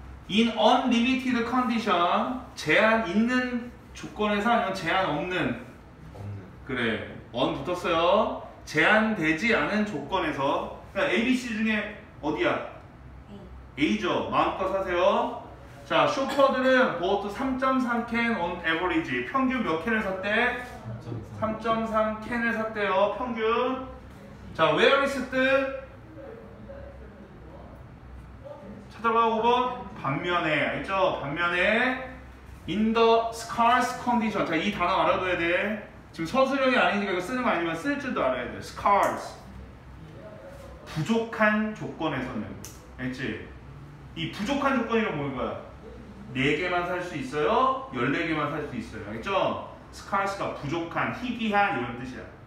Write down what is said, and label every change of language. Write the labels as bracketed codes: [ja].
[en] In unlimited condition. [ko] 제한 있는 조건에서 아니면 제한 없는? 없는. 그래. 언 붙었어요. 제한되지 않은 조건에서. 그러니까 A, B, C 중에 어디야? A죠. 마음껏 사세요. 자, 쇼퍼들은 보트 3.3캔 [en] on average. [ko] 평균 몇 캔을 샀대? 3.3캔을 샀대요. 평균. 자, [en] where is it? [ko] 찾아봐, 5번. 반면에. 알죠? 반면에. [en] In the scarce condition. [ko] 자, 이 단어 알아둬야 돼. 지금 서술형이 아니니까 이거 쓰는 거 아니면 쓸 줄도 알아야 돼. Scarce. 부족한 조건에서는. 알지? 이 부족한 조건이란 뭐인 거야? 4개만 살 수 있어요? 14개만 살 수 있어요? 알겠죠? 스카스가 부족한, 희귀한 이런 뜻이야.